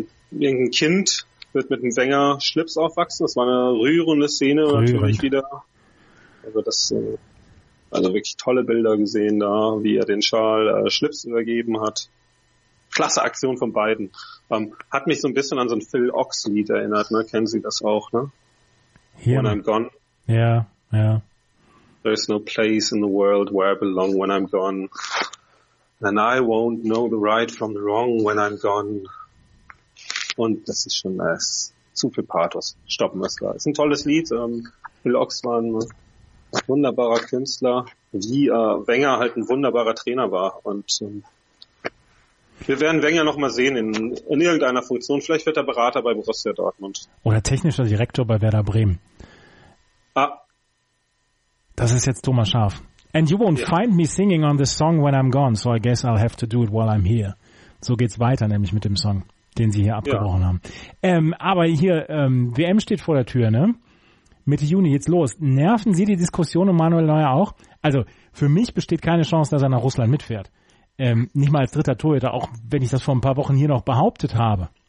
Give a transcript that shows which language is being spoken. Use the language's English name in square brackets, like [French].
[German] Irgendein Kind wird mit dem Wenger Schlips aufwachsen. Das war eine rührende Szene natürlich wieder. Also das, also wirklich tolle Bilder gesehen da, wie er den Schal Schlips übergeben hat. Klasse Aktion von beiden. Hat mich so ein bisschen an so ein Phil Ox-Lied erinnert, ne? Kennen Sie das auch, ne? Hier. [English] When I'm gone. Ja, yeah, ja. Yeah. There's no place in the world where I belong when I'm gone. And I won't know the right from the wrong when I'm gone. [German] Und das ist schon zu viel Pathos. Stoppen wir es da. Ist ein tolles Lied. Phil Ochs war ein wunderbarer Künstler, wie Wenger halt ein wunderbarer Trainer war. Und wir werden Wenger nochmal sehen in irgendeiner Funktion. Vielleicht wird er Berater bei Borussia Dortmund. Oder technischer Direktor bei Werder Bremen. Ah. Das ist jetzt Thomas Schaaf. [English] And you won't find me singing on this song when I'm gone, so I guess I'll have to do it while I'm here. [German] So geht's weiter nämlich mit dem Song, den Sie hier abgebrochen haben. Aber hier, WM steht vor der Tür, ne? Mitte Juni, jetzt los. Nerven Sie die Diskussion um Manuel Neuer auch? Also, für mich besteht keine Chance, dass er nach Russland mitfährt. Nicht mal als dritter Torhüter, auch wenn ich das vor ein paar Wochen hier noch behauptet habe.